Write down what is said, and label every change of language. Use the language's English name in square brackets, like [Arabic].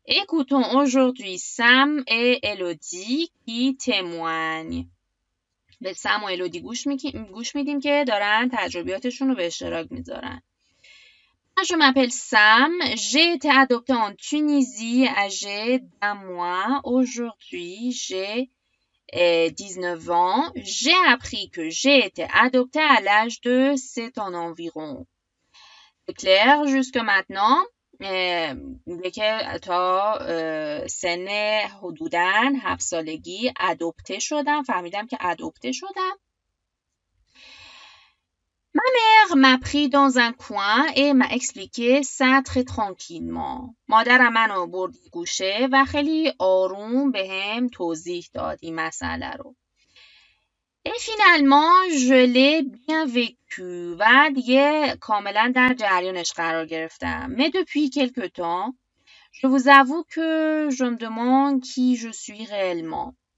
[French] Écoutons aujourd'hui Sam et Elodie qui témoignent. [Persian] به سم و الودی گوش میدیم که دارن تجربیاتشون رو به اشتراک میذارن. [French] Je m'appelle Sam, j'ai été adoptée en Tunisie âgée d'un mois. Aujourd'hui, j'ai 19 ans. J'ai appris que j'ai été adoptée à l'âge de 7 ans environ. C'est clair jusque maintenant? [Persian] میگه که تا سن حدوداً 7 سالگی ادوپته شدم، فهمیدم که ادوپته شدم. [French] Ma mère m'a pris dans un coin et m'a expliqué ça très tranquillement. [Persian] مادرم منو برد گوشه و خیلی آروم بهم توضیح داد این مسئله رو. [French] Et finalement, je l'ai bien vécu. [Persian] و دیگه کاملا در جریانش قرار گرفتم. [French] Mais depuis quelque temps, je vous avoue que je me demande qui je suis réellement.